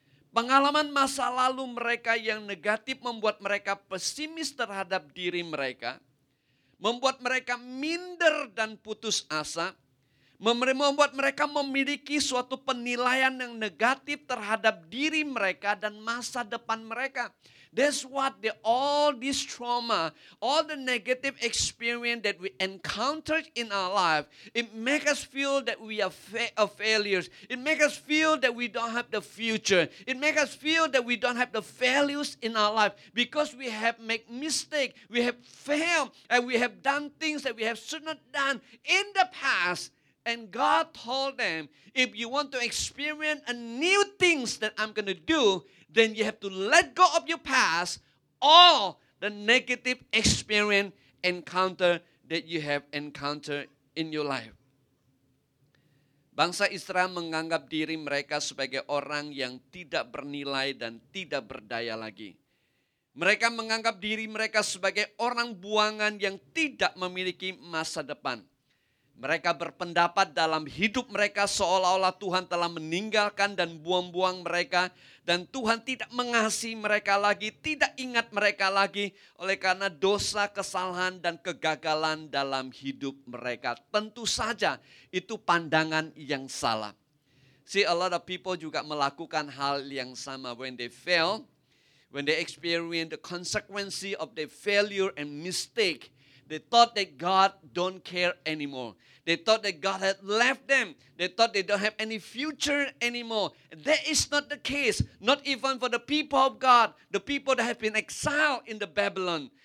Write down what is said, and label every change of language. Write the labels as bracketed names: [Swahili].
[Indonesian] Pengalaman masa lalu mereka yang negatif membuat mereka pesimis terhadap diri mereka, membuat mereka minder dan putus asa, membuat mereka memiliki suatu penilaian yang negatif terhadap diri mereka dan masa depan mereka. [English] That's what all this trauma, all the negative experience that we encountered in our life, it makes us feel that we are failures. It makes us feel that we don't have the future. It makes us feel that we don't have the values in our life because we have made mistakes, we have failed, and we have done things that we have should not done in the past. And God told them, if you want to experience a new things that I'm going to do, then you have to let go of your past, all the negative experience encounter that you have encountered in your life. [Indonesian] Bangsa Israel menganggap diri mereka sebagai orang yang tidak bernilai dan tidak berdaya lagi. Mereka menganggap diri mereka sebagai orang buangan yang tidak memiliki masa depan. Mereka berpendapat dalam hidup mereka seolah-olah Tuhan telah meninggalkan dan buang-buang mereka. Dan Tuhan tidak mengasihi mereka lagi, tidak ingat mereka lagi oleh karena dosa, kesalahan, dan kegagalan dalam hidup mereka. Tentu saja itu pandangan yang salah. [English] See, a lot of people [Indonesian] juga melakukan hal yang sama. [English] When they fail, when they experience the consequences of their failure and mistake, they thought that God don't care anymore. They thought that God had left them. They thought they don't have any future anymore. That is not the case. Not even for the people of God, the people that have been exiled in the Babylon.